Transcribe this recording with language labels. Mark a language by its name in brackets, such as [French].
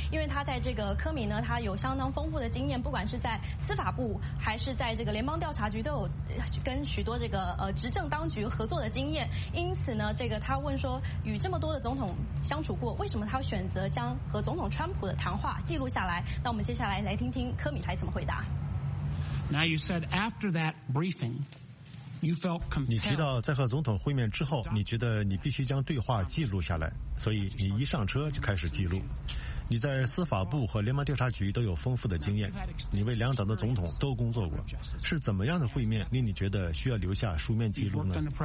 [Chinese] 因为他在这个科米呢，他有相当丰富的经验，不管是在司法部还是在这个联邦调查局，都有跟许多这个执政当局合作的经验。因此呢，这个他问说，与这么多的总统相处过，为什么他选择将和总统川普的谈话记录下来？那我们接下来听听科米来怎么回答。 [English] Now you said after that briefing, you felt compelled. [Chinese] 你提到在和总统会面之后，你觉得你必须将对话记录下来，所以你一上车就开始记录。你在司法部和联邦调查局都有丰富的经验，你为两党的总统都工作过，是怎么样的会面令你觉得需要留下书面记录呢？